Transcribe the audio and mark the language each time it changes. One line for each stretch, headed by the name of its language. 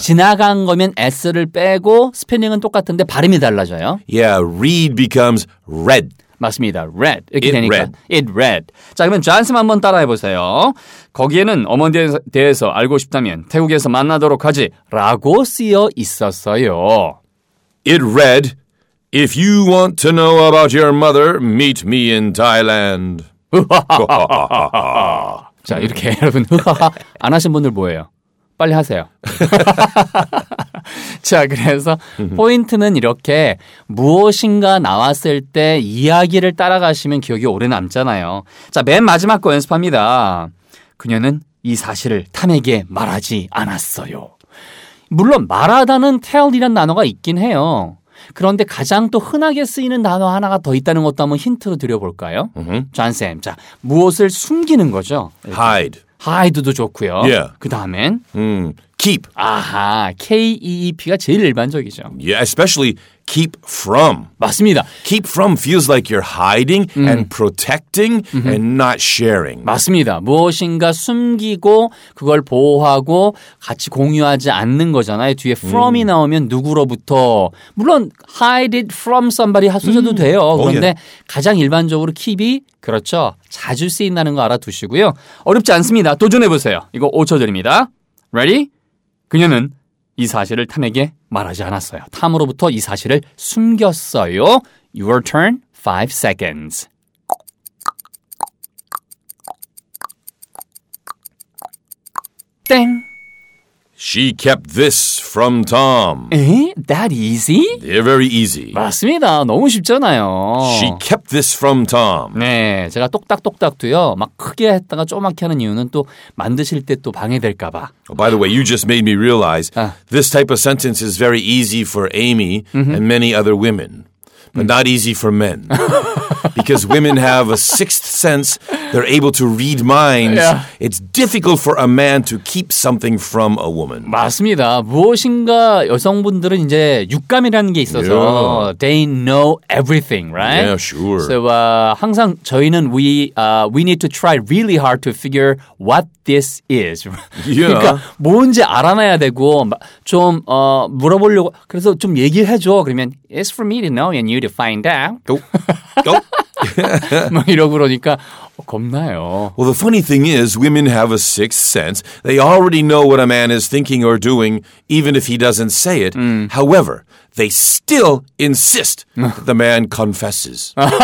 Korean: 지나간 거면 s를 빼고 스펠링은 똑같은데 발음이 달라져요.
English: Yeah, read becomes read.
Korean: 맞습니다. read 이렇게 it 되니까 read. it read. 자, 그러면 존슨 한번 따라해 보세요. 거기에는 어머니에 대해서 알고 싶다면 태국에서 만나도록 하지라고 쓰여 있었어요.
English: It read If you want to know about your mother, meet me in Thailand.
Korean: 자, 이렇게 여러분 안 하신 분들 뭐예요? 빨리 하세요. 자, 그래서 포인트는 이렇게 무엇인가 나왔을 때 이야기를 따라가시면 기억이 오래 남잖아요. 자, 맨 마지막 거 연습합니다. 그녀는 이 사실을 탐에게 말하지 않았어요. 물론 말하다는 tell이라는 단어가 있긴 해요. 그런데 가장 또 흔하게 쓰이는 단어 하나가 더 있다는 것도 한번 힌트로 드려볼까요? 존쌤, 자, 무엇을 숨기는 거죠?
English: Hide.
Korean: Hide도 좋고요.
English: Yeah.
Korean: 그 다음엔?
English: Keep.
Korean: 아하, K-E-E-P가 제일 일반적이죠.
English: Yeah, especially keep from.
Korean: 맞습니다.
English: Keep from feels like you're hiding and protecting and not sharing.
Korean: 맞습니다. 무엇인가 숨기고 그걸 보호하고 같이 공유하지 않는 거잖아요. 뒤에 from이 나오면 누구로부터. 물론
English: hide it from somebody
Korean: 하셔도 돼요. 그런데
English: oh, yeah.
Korean: 가장 일반적으로 keep이 그렇죠. 자주 쓰인다는 거 알아두시고요. 어렵지 않습니다. 도전해보세요. 이거 5초 드립니다. Ready? 그녀는 이 사실을 탐에게 말하지 않았어요. 탐으로부터 이 사실을 숨겼어요.
English: Your turn, 5 seconds.
Korean: 땡!
English: She kept this from Tom. Eh? That easy? They're very easy.
Korean: 맞습니다. 너무 쉽잖아요.
English: She kept this from Tom.
Korean: 네. 제가 똑딱똑딱도요. 막 크게 했다가 조그맣게 하는 이유는 또 만드실 때 또 방해될까 봐.
English: Oh, by the way, you just made me realize this type of sentence is very easy for Amy and many other women. But not easy for men. Because women have a sixth sense. They're able to read minds. Yeah. It's difficult for a man to keep something from a woman.
Korean: 맞습니다. 무엇인가 여성분들은 이제 육감이라는 게 있어서
English: yeah. they know everything, right? Yeah, sure. So
Korean: 항상 저희는
English: we need to try really hard to figure what this is. Yeah.
Korean: 그러니까 뭔지 알아놔야 되고 좀 물어보려고 그래서 좀 얘기해줘.
English: 그러면 it's for me to know and you to find out. Go. Go.
Korean: 막 이러고 그러니까 겁나요.
English: Well, the funny thing is women have a sixth sense. They already know what a man is thinking or doing even if he doesn't say it. However, they still insist that the man confesses.